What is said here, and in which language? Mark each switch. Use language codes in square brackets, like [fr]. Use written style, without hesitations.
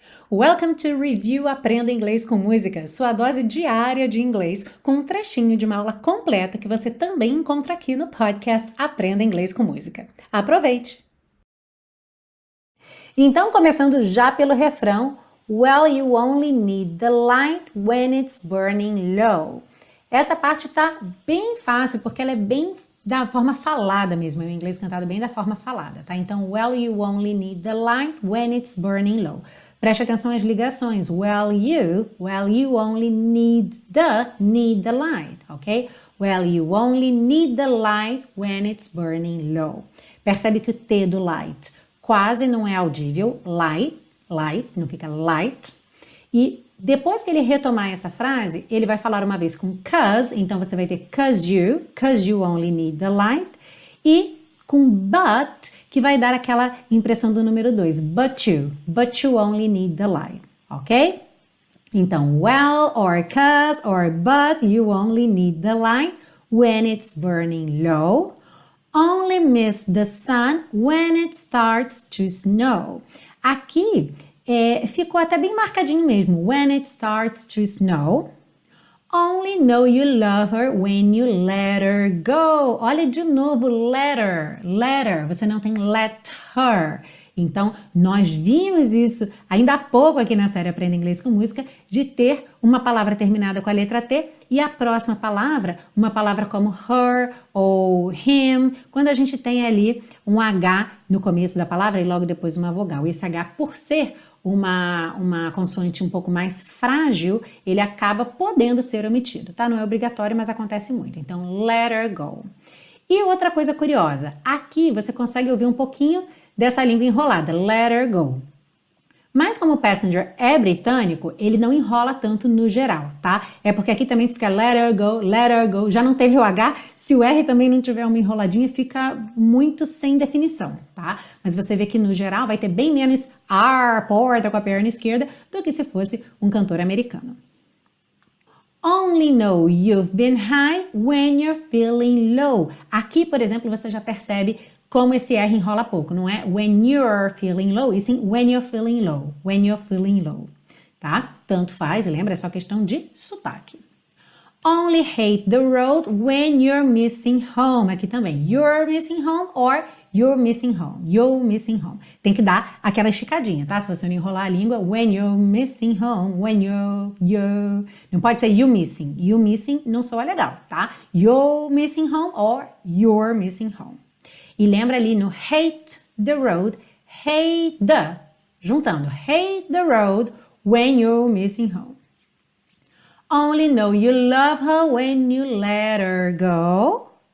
[en] Welcome to [pt] Review Aprenda Inglês com Música, sua dose diária de inglês, com um trechinho de uma aula completa que você também encontra aqui no podcast Aprenda Inglês com Música. Aproveite! Então, começando já pelo refrão, [en] well, you only need the light when it's burning low. [pt] Essa parte tá bem fácil, porque ela é bem da forma falada mesmo, o inglês cantado bem da forma falada, tá? Então, [en] well, you only need the light when it's burning low. [pt] Preste atenção às ligações. [en] Well, you only need the light, ok? Well, you only need the light when it's burning low. [pt] Percebe que o T do light quase não é audível. Light, light, não fica light. E depois que ele retomar essa frase, ele vai falar uma vez com cause, então você vai ter [en] cause you only need the light. [pt] E com but, que vai dar aquela impressão do número 2, [en] but you only need the light, [pt] ok? Então, [en] well, or cause, or but, you only need the light when it's burning low. Only miss the sun when it starts to snow. [pt] Aqui, ficou até bem marcadinho mesmo, [en] when it starts to snow. Only know you love her when you let her go. [pt] Olha de novo, letter. Você não tem [en] let her. [pt] Então, nós vimos isso ainda há pouco aqui na série Aprenda Inglês com Música, de ter uma palavra terminada com a letra T e a próxima palavra, uma palavra como her ou him, quando a gente tem ali um H no começo da palavra e logo depois uma vogal. Esse H, por ser uma consoante um pouco mais frágil, ele acaba podendo ser omitido, tá? Não é obrigatório, mas acontece muito. Então, [en] let her go. [pt] E outra coisa curiosa, aqui você consegue ouvir um pouquinho dessa língua enrolada, let her go. Mas como o passenger é britânico, ele não enrola tanto no geral, tá? É porque aqui também fica [en] let her go, [pt] já não teve o H, se o R também não tiver uma enroladinha, fica muito sem definição, tá? Mas você vê que no geral vai ter bem menos R, porta com a perna esquerda, do que se fosse um cantor americano. [en] Only know you've been high when you're feeling low. [pt] Aqui, por exemplo, você já percebe como esse R enrola pouco, não é [en] when you're feeling low, [pt] e sim when you're feeling low, tá? Tanto faz, lembra, é só questão de sotaque. [en] Only hate the road when you're missing home, [pt] aqui também, [en] you're missing home or you're missing home. [pt] Tem que dar aquela esticadinha, tá? Se você não enrolar a língua, [en] when you're missing home, [pt] when you're, não pode ser you missing não soa legal, tá? [en] You're missing home or you're missing home. [pt] E lembra ali no [en] hate the road, hate the, juntando, hate the road when you're missing home. Only know you love her when you let her go.